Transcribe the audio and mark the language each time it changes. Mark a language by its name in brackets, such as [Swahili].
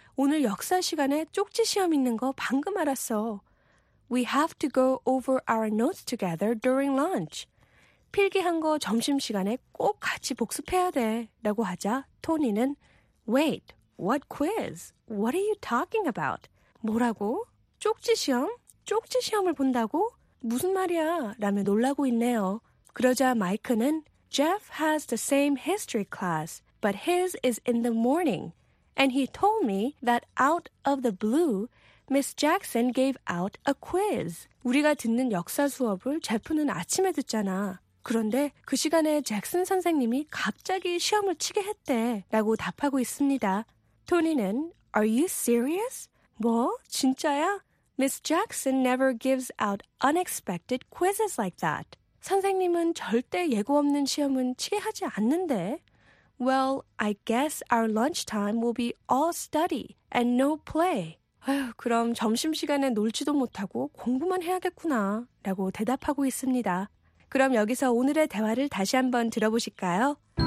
[Korean] 오늘 역사 시간에 쪽지 시험 있는 거 방금 알았어. [English] We have to go over our notes together during lunch. [Korean] 필기한 거 점심시간에 꼭 같이 복습해야 돼 라고 하자 토니는 [English] Wait, what quiz? What are you talking about? [Korean] 뭐라고? 쪽지 시험? 쪽지 시험을 본다고? 무슨 말이야? 라며 놀라고 있네요. 그러자 마이크는 [English] Jeff has the same history class, but his is in the morning. And he told me that out of the blue, Miss Jackson gave out a quiz. [Korean] 우리가 듣는 역사 수업을 제프는 아침에 듣잖아. 그런데 그 시간에 잭슨 선생님이 갑자기 시험을 치게 했대 라고 답하고 있습니다. 토니는 [English] Are you serious? [Korean] 뭐? 진짜야? [English] Miss Jackson never gives out unexpected quizzes like that. [Korean] 선생님은 절대 예고 없는 시험은 치게 하지 않는데. [English] Well, I guess our lunchtime will be all study and no play. [Korean] 아휴, 그럼 점심시간에 놀지도 못하고 공부만 해야겠구나 라고 대답하고 있습니다. 그럼 여기서 오늘의 대화를 다시 한번 들어보실까요?